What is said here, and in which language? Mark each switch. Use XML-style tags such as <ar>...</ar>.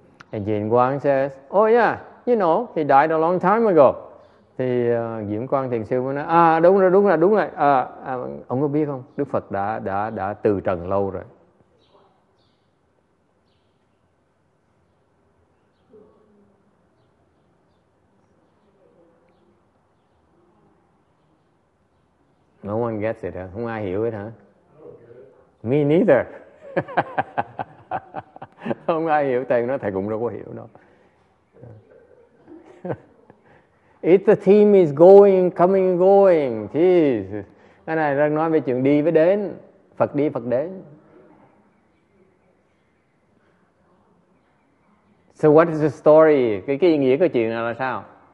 <en>And Diễm Quang says, oh yeah, you know, he died a long time ago.</en> <vi>Thì Diễm Quang thiền sư mới nói, đúng rồi, ông có biết không, Đức Phật đã từ trần lâu rồi.</vi> <en>No one gets it, huh?</en> <vi>Không ai hiểu hết, hả?</vi> <en>Me neither.</en> <vi>Không ai hiểu, thầy nói thầy cũng đâu có hiểu đâu.</vi> <en>If the team is going, coming, going, jeez.</en> <vi>Cái này đang nói về chuyện đi với đến. Phật đi, Phật đến.</vi> <en>So what is the story?</en> <vi>Cái ý nghĩa của chuyện là sao?</vi>